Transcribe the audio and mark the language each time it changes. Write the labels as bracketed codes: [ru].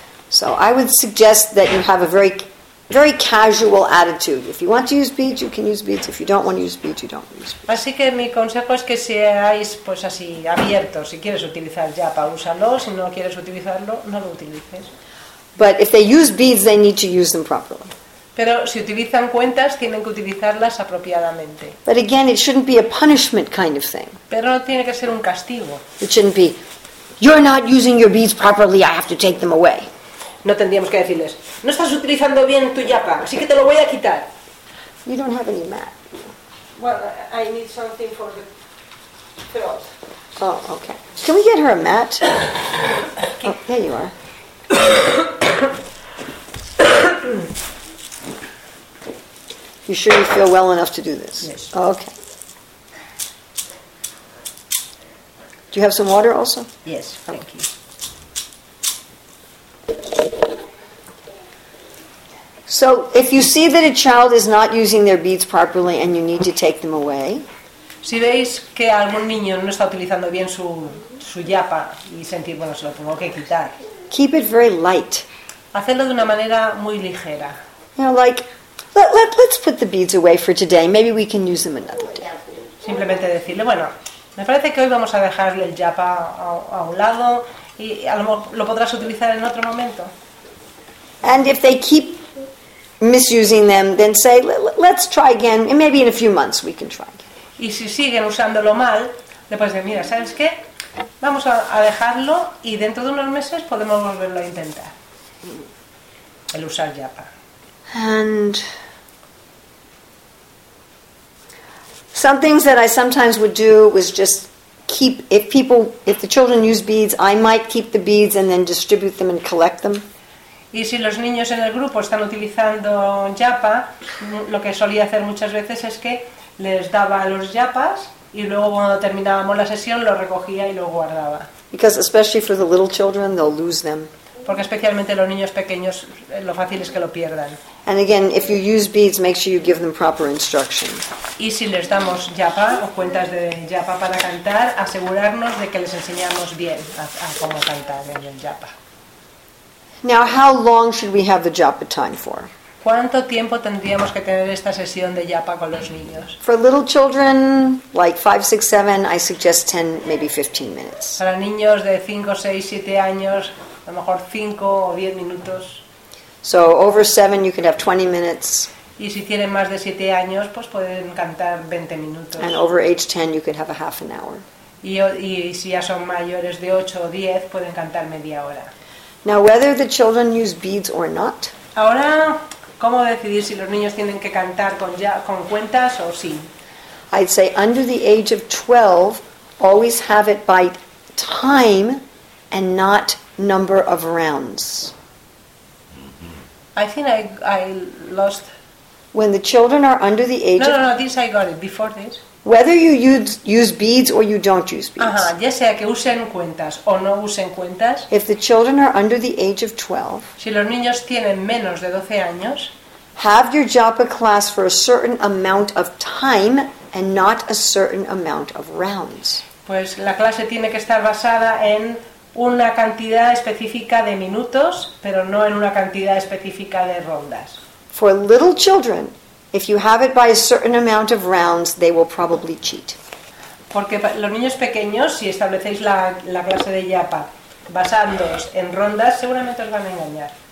[en] So, I would suggest that you have a very casual attitude. If you want to use beads, you can use beads. If you don't want to use beads, you don't use beads. [es] Así que mi consejo es que seáis pues así abiertos. Si quieres utilizar japa, úsalo. Si no quieres utilizarlo, no lo utilices. [en] But if they use beads, they need to use them properly. [es] Pero si utilizan cuentas, tienen que utilizarlas apropiadamente. [en] But again, it shouldn't be a punishment kind of thing. [es] Pero no tiene que ser un castigo. [en] It shouldn't be, you're not using your beads properly, I have to take them away. [es] No tendríamos que decirles, no estás utilizando bien tu yapa, así que te lo voy a quitar. [en] You don't have any mat. Well, I need something for the throat. Oh, okay. Can we get her a mat? Okay. Oh, there you are. You sure you feel well enough to do this? Yes. Oh, okay. Do you have some water also? Yes, thank you. So, if you see that a child is not using their beads properly and you need to take them away, [es] si veis que algún niño no está utilizando bien su yapa y sentir bueno, se lo tengo que quitar. [en] Keep it very light. [es] Hacerlo de una manera muy ligera. [en] You know, like, let's put the beads away for today. Maybe we can use them another day. [es] Simplemente decirle, bueno, me parece que hoy vamos a dejarle el yapa a un lado y a lo mejor lo podrás utilizar en otro momento. [en] And if they keep misusing them, then say, let's try again, and maybe in a few months we can try again. [es] Y si siguen usándolo mal, después de mira, ¿sabes qué? Vamos a dejarlo y dentro de unos meses podemos volverlo a intentar. El usar yapa. [en] And some things that I sometimes would do was just keep, if the children use beads, I might keep the beads and then distribute them and collect them. [es] Y si los niños en el grupo están utilizando yapa, lo que solía hacer muchas veces es que les daba los yapas y luego cuando terminábamos la sesión los recogía y los guardaba. [en] Because especially for the little children, they'll lose them. [es] Porque especialmente los niños pequeños, lo fácil es que lo pierdan. [en] And again, if you use beads, make sure you give them proper instruction. [es] Y si les damos yapa o cuentas de yapa para cantar, asegurarnos de que les enseñamos bien a cómo cantar en el yapa. [en] Now, how long should we have the japa time for? [es] ¿Cuánto tiempo tendríamos que tener esta sesión de japa con los niños? [en] For little children, like 5, 6, 7, I suggest 10, maybe 15 minutes. [es] Para niños de 5, 6, 7 años, a lo mejor 5 o 10 minutos. [en] So, over 7, you can have 20 minutes. [es] Y si tienen más de 7 años, pues pueden cantar 20 minutos. [en] And over age 10, you can have a half an hour. [es] Y si ya son mayores de 8 o 10, pueden cantar media hora. [en] Now, whether the children use beads or not. [es] Ahora, ¿cómo decidir si los niños tienen que cantar con cuentas o sin? [en] I'd say under the age of 12, always have it by time and not number of rounds. I think I lost. When the children are under the age No, this I got it, before this. Whether you use beads or you don't use beads. [es] Ajá, ya sea que usen cuentas o no usen cuentas. [en] If the children are under the age of 12. [es] Si los niños tienen menos de 12 años. [en] Have your japa class for a certain amount of time and not a certain amount of rounds. [es] Pues la clase tiene que estar basada en una cantidad específica de minutos, pero no en una cantidad específica de rondas. [en] For little children, if you have it by a certain amount of rounds, they will probably cheat. [es] Porque los niños pequeños, si establecéis la clase de yapa basándoos en rondas, seguramente os van a engañar.